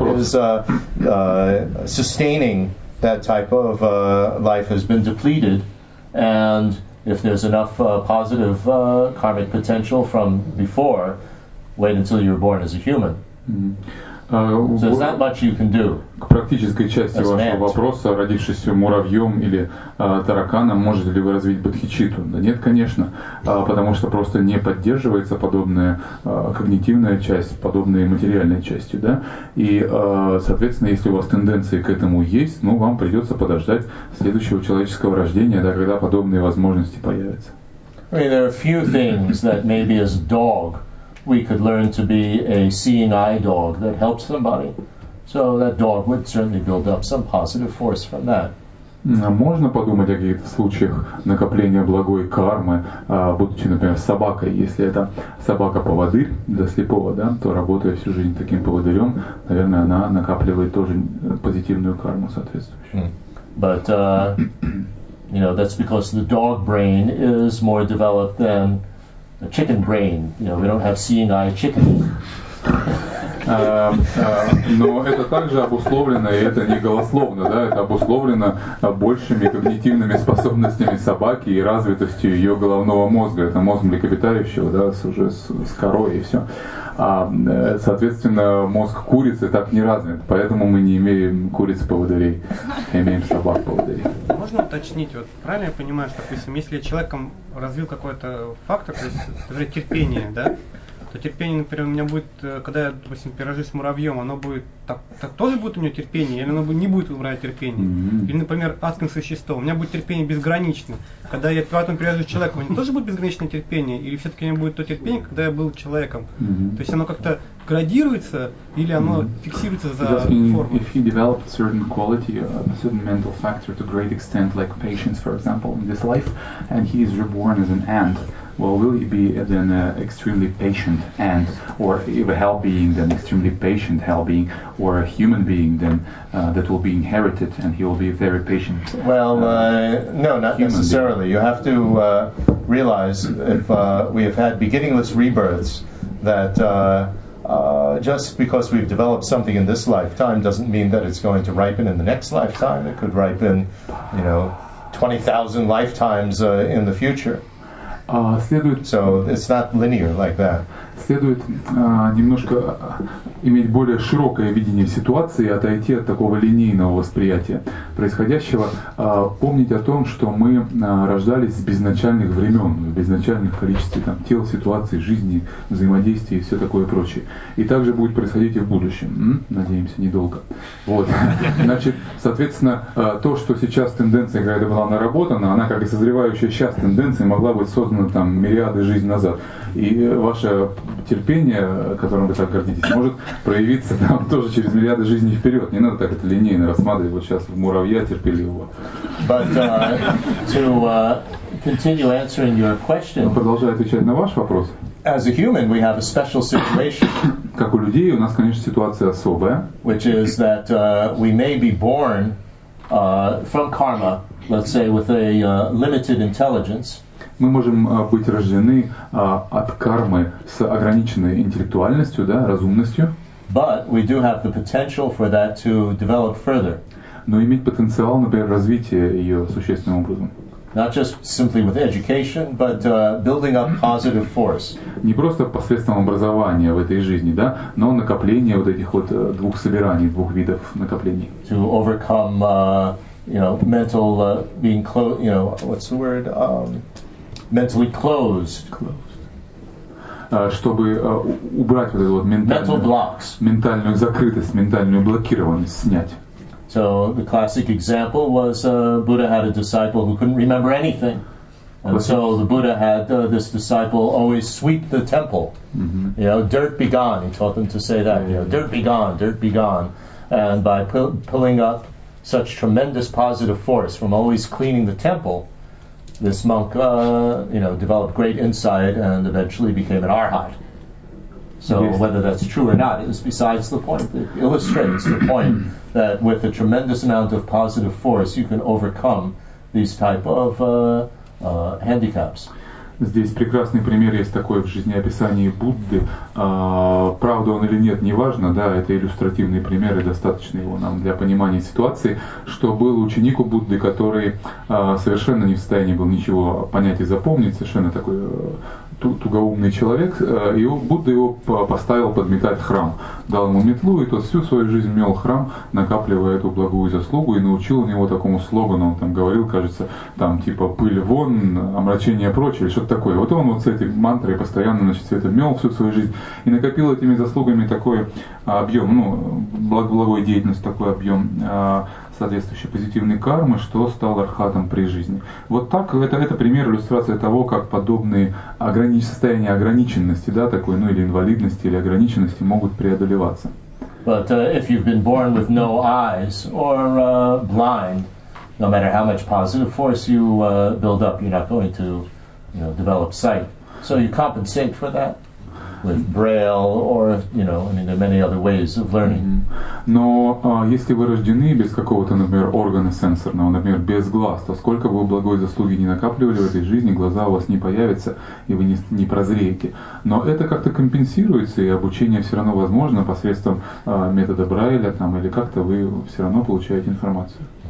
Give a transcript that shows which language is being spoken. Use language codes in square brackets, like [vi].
[ru] Вопрос. [en] Is sustaining that type of life has been depleted, and if there's enough positive karmic potential from before, wait until you're born as a human. Mm-hmm. So it's not much you can do. [ru] К практической части [en] as [ru] вашего вопроса, родившись муравьем или тараканом, можете ли вы развить бодхичитту? Да нет, конечно, потому что просто не поддерживается подобная когнитивная часть, подобные материальные части, да. И, соответственно, если у вас тенденции к этому есть, ну, вам придется подождать следующего человеческого рождения, да, когда подобные возможности появятся. [en] I mean, there are a few things that maybe as a dog we could learn to be a seeing eye dog that helps somebody. So that dog would certainly build up some positive force from that. [ru] Можно подумать о каких-то случаях накопления благой кармы, будучи, например, собакой. Если это собака-поводырь для слепого, да, то работая всю жизнь таким поводырем, наверное, она накапливает тоже позитивную карму соответствующую. [en] But, you know, that's because the dog brain is more developed than a chicken brain. You know, we don't have seeing eye chicken. [ru] Но это также обусловлено, и это не голословно, да, это обусловлено большими когнитивными способностями собаки и развитостью ее головного мозга. Это мозг млекопитающего, да, уже с корой и все. А, соответственно, мозг курицы так не развит, поэтому мы не имеем куриц-поводырей, имеем собак-поводырей. Можно уточнить, вот правильно я понимаю, что, допустим, если человеком развил какой-то фактор, то есть, например, терпение, да, то терпение, например, у меня будет, когда я, допустим, пирожусь с муравьем, оно будет, так тоже будет у него терпение, или оно не будет убрать терпение? Mm-hmm. Или, например, адским существом, у меня будет терпение безграничное. Когда я потом пирожусь с человеком, у меня тоже будет безграничное терпение? Или все-таки у меня будет то терпение, когда я был человеком? Mm-hmm. То есть оно как-то градируется, или оно mm-hmm. фиксируется за формой? [en] If you develop a certain quality, a certain mental factor to a great extent, like patience, for example, in this life, and he is reborn as an ant, well, will he be then an extremely patient ant, or if a hell being, then extremely patient hell being, or a human being, then that will be inherited, and he will be very patient? Well, no, not necessarily. Being. You have to realize if we have had beginningless rebirths, that just because we've developed something in this lifetime doesn't mean that it's going to ripen in the next lifetime. It could ripen, you know, 20,000 lifetimes in the future. So it's not linear like that. [ru] Следует немножко иметь более широкое видение ситуации и отойти от такого линейного восприятия происходящего. Помнить о том, что мы рождались с безначальных времен, в безначальных количестве там, тел, ситуаций, жизни, взаимодействия и все такое прочее. И так же будет происходить и в будущем. Надеемся, недолго. Вот. Значит, соответственно, то, что сейчас тенденция когда-то была наработана, она как и созревающая сейчас тенденция могла быть создана там, миллиарды жизней назад. И ваша терпение, которым вы так гордитесь, может проявиться там тоже через миллиарды жизней вперед. Не надо так это линейно рассматривать. Вот сейчас муравья терпеливого. Но продолжая отвечать на ваш вопрос. [en] As a human, we have a special situation. [ru] Как у людей, у нас, конечно, ситуация особая. [en] Which is that we may be born from karma, let's say, with a limited intelligence. [ru] Мы можем быть рождены от кармы с ограниченной интеллектуальностью, да, разумностью. [en] But we do have the potential for that to develop further. [ru] Но иметь потенциал, например, развития ее существенным образом. [en] Not just simply with education, but building up positive force. [ru] Не просто посредством образования в этой жизни, да, но накопление вот этих вот двух собираний, двух видов накоплений. [en] To overcome, mental being closed, what's the word? Mentally closed. [ru] Чтобы убрать вот эту вот ментальную закрытость, ментальную блокированность снять. [en] So the classic example was Buddha had a disciple who couldn't remember anything. And so the Buddha had this disciple always sweep the temple. Mm-hmm. Dirt be gone. He taught them to say that. Dirt be gone, dirt be gone. And by pulling up such tremendous positive force from always cleaning the temple, this monk developed great insight and eventually became an arhat. So whether that's true or not is besides the point. It illustrates the point that with a tremendous amount of positive force, you can overcome these type of handicaps. [ru] Здесь прекрасный пример есть такой в жизнеописании Будды. Правда он или нет, неважно, да, это иллюстративный пример, и достаточно его нам для понимания ситуации, что был ученик у Будды, который совершенно не в состоянии был ничего понять и запомнить, совершенно такой тугоумный человек, и Будда его поставил подметать храм. Дал ему метлу, и тот всю свою жизнь мел храм, накапливая эту благую заслугу, и научил у него такому слогану, он там говорил, кажется, там типа «пыль вон, омрачение прочь», или что-то такое. Вот он вот с этой мантрой постоянно, значит, все это мел всю свою жизнь, и накопил этими заслугами такой объем, благой деятельности, такой объем соответствующей позитивной кармы, что стал архатом при жизни. Вот так, это пример, иллюстрация того, как подобные состояния ограниченности, да, такой, или инвалидности, или ограниченности могут преодолеваться. [en] But if you've been born with no eyes or blind, no matter how much positive force you build up, you're not going to develop sight. So you compensate for that with braille or there are many other ways of learning. [ru] Но если вы рождены без какого-то, например, органа сенсорного, например, без глаз, то сколько бы вы благой заслуги не накапливали в этой жизни, глаза у вас не появятся, и вы не прозреете. Но это как-то компенсируется, и обучение все равно возможно посредством метода Брайля, или как-то вы все равно получаете информацию.